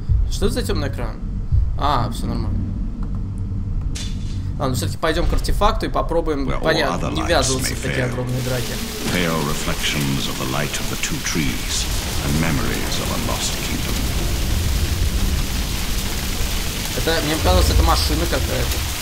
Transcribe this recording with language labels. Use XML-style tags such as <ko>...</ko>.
<ru>Что это за темный экран? А, все нормально. Ладно, все-таки пойдем к артефакту и попробуем понять, не ввязываться в такие огромные драки.</ru> <en>Pale reflections of the light of the two trees and memories of a lost kingdom.</en> <ru>Это, мне показалось, это машина какая-то.</ru>